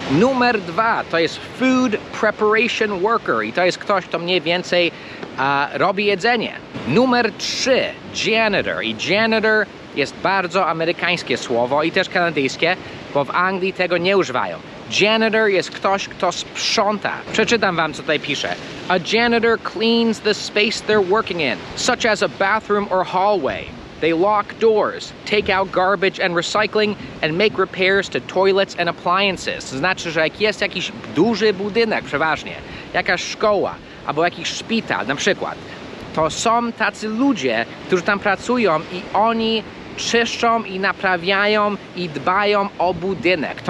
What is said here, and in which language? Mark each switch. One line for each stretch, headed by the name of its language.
Polish: Numer dwa to jest Food Preparation Worker i to jest ktoś, kto mniej więcej robi jedzenie. Numer trzy, Janitor. I janitor jest bardzo amerykańskie słowo i też kanadyjskie, bo w Anglii tego nie używają. Janitor jest ktoś, kto sprząta. Przeczytam wam, co tutaj pisze.
English: A janitor cleans the space they're working in, such as a bathroom or hallway. They lock doors, take out garbage and recycling, and make repairs to toilets and appliances.
Polish: To znaczy, że jak jest jakiś duży budynek przeważnie, jakaś szkoła, albo jakiś szpital na przykład, to są tacy ludzie, którzy tam pracują i oni czyszczą i naprawiają i dbają o budynek.